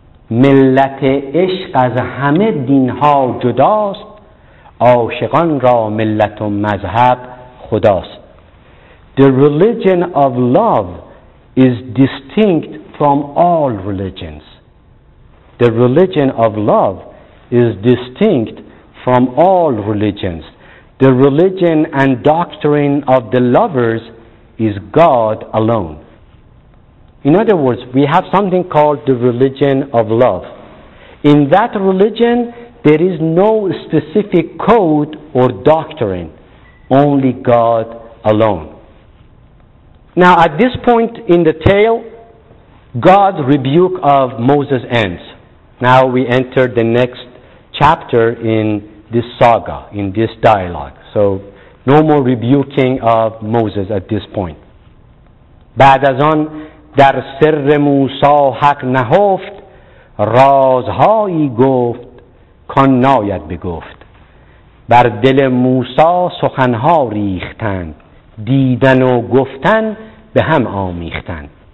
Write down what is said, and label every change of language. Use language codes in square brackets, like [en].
[fa] ملت عشق از همه دینها جداست، عاشقان را ملت و مذهب خداست. [en] The religion of love is distinct from all religions. The religion of love is distinct from all religions. The religion and doctrine of the lovers is God alone. In other words, we have something called the religion of love. In that religion, there is no specific code or doctrine, only God alone. Now, at this point in the tale, God's rebuke of Moses ends. Now we enter the next chapter in this saga, in this dialogue. So, no more rebuking of Moses at this point. [fa] بعد از آن در سر موسی حق نهفت، رازهایی گفت کان ناید بگفت. بر دل موسی سخنها ریختند، دیدن و گفتن به هم آمیختند.